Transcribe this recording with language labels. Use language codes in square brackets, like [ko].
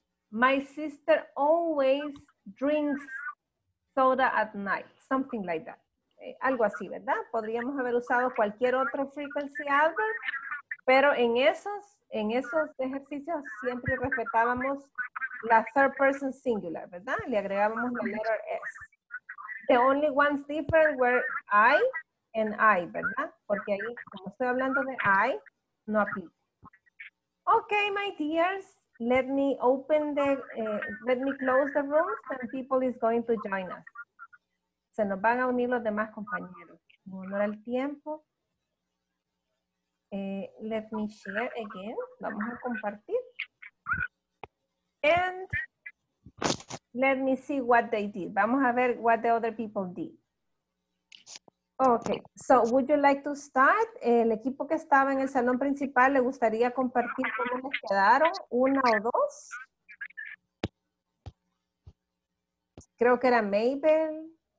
[en] My sister always drinks soda at night, something like that. [es] Algo así, ¿verdad? Podríamos haber usado cualquier otro [en] frequency adverb, [es] pero en esos ejercicios siempre respetábamos la [en] third person singular, [es] ¿verdad? Le agregábamos la letter S. [en] The only ones different were I and I, ¿verdad? [es] Porque ahí, como estoy hablando de I, no aplica. [en] Okay, my dears, let me open the, let me close the rooms and people is going to join us. [es] Se nos van a unir los demás compañeros. En honor al tiempo. [en] Let me share again. [es] Vamos a compartir. [en] And let me see what they did. [es] Vamos a ver [en] what the other people did. Okay, so would you like to start? [es] El equipo que estaba en el salón principal, ¿le gustaría compartir cómo les quedaron? ¿Una o dos? Creo que era Mabel.